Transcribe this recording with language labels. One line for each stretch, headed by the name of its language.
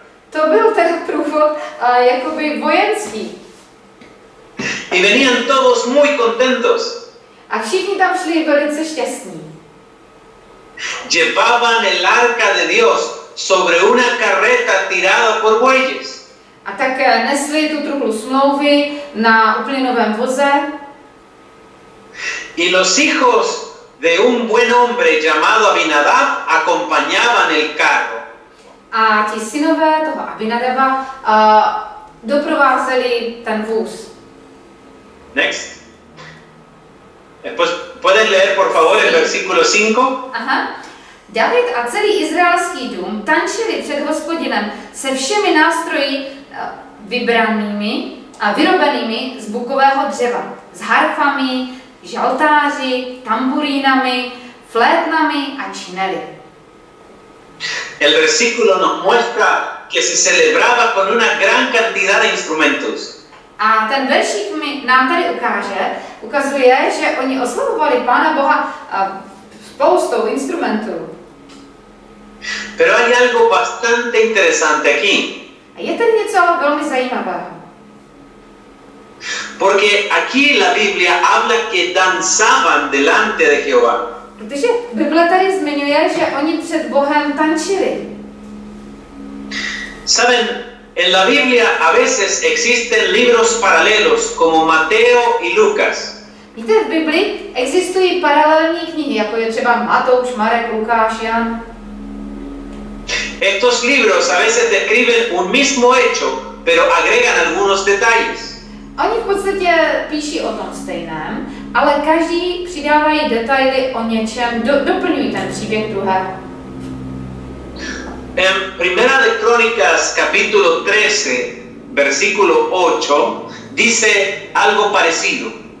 Czech: To byl ten průvod jakoby vojenský.
Spanish: Y venían todos muy contentos.
Czech: A všichni tam šli velice šťastní.
Spanish: Llevaban el arca de Dios sobre una carreta tirada por bueyes.
Czech: A tak nesli tu truhlu smlouvy na úplně novém voze.
Spanish: Y los hijos de un buen hombre llamado Abinadab acompañaban el carro.
Czech: A ti synové toho Abinadaba doprovázeli ten vůz.
English: Next.
Spanish: Después, ¿pueden leer, por favor, el versículo 5? Aha.
Czech: David a celý izraelský dům tančili před Hospodinem se všemi nástroji vybranými a vyrobenými z bukového dřeva. S harfami, žaltáři, tamburínami, flétnami a čineli.
Spanish: El versículo nos muestra que se celebraba con una gran cantidad de instrumentos.
Czech: A ten veršík nám tady ukazuje, že oni oslavovali Pána Boha spoustou instrumentů.
Spanish: Pero hay algo bastante interesante aquí.
Czech: A je tady něco velmi zajímavého.
Spanish: Porque aquí la Biblia habla que danzaban delante de Jehová.
Czech: Protože Bible tady zmiňuje, že oni před Bohem tančili.
Spanish: Saben, en la Biblia a veces existen libros paralelos como Mateo y Lucas.
Czech: Víte, v Biblii existují paralelní knihy, jako je třeba Matouš, Marek, Lukáš, Jan.
Spanish: Estos libros a veces describen un mismo hecho, pero agregan algunos detalles.
Czech: Oni v podstatě píší o tom stejném, ale každý přidávají detaily o něčem, doplňují ten příběh druhého.
Spanish: En Primera de Crónicas, capítulo 13, versículo 8, dice algo parecido.